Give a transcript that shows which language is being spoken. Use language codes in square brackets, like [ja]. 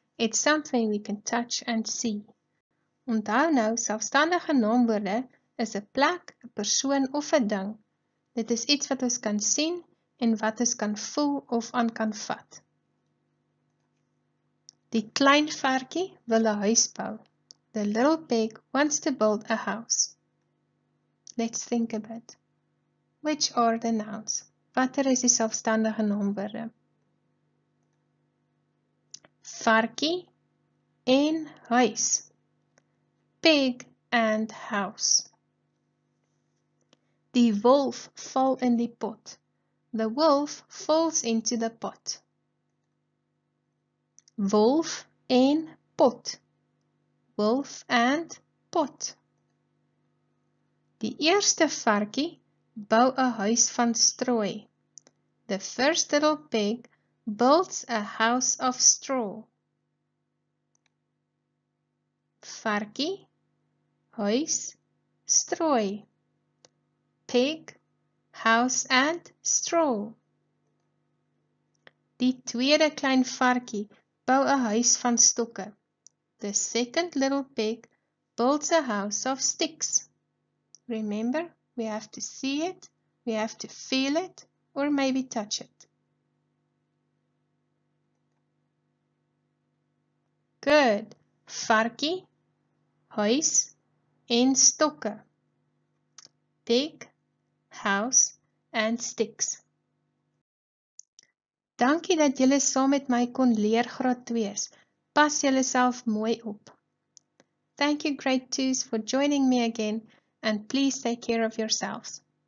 [en] It's something we can touch and see. [af] Onthou nou, selfstandige naamwoorde is a plek, a persoon of a ding. Dit is iets wat ons kan sien en wat ons kan voel of aan kan vat. Die klein varkie wil 'n huis bou. [en] The little pig wants to build a house. Let's think a bit. Which are the nouns? [af] Watter is die selfstandige naamwoorde? Varkie en huis. [en] Pig and house. [af] Die wolf val in die pot. [en] The wolf falls into the pot. [af] Wolf en pot. [en] Wolf and pot. [af] Die eerste varkie bou 'n huis van strooi. [en] The first little pig builds a house of straw. [af] Varkie, huis, strooi. [en] Pig, house and straw. [af] Die tweede klein varkie bou 'n huis van stokke. [en] The second little pig builds a house of sticks. Remember, we have to see it, we have to feel it, or maybe touch it. [af] Good. Varkie, huis en stokke. [en] Pig, house and sticks. [af] Dankie dat julle saam met my kon leer graad 2's. Pas julleself mooi op. [en] Thank you grade 2's for joining me again. And please take care of yourselves.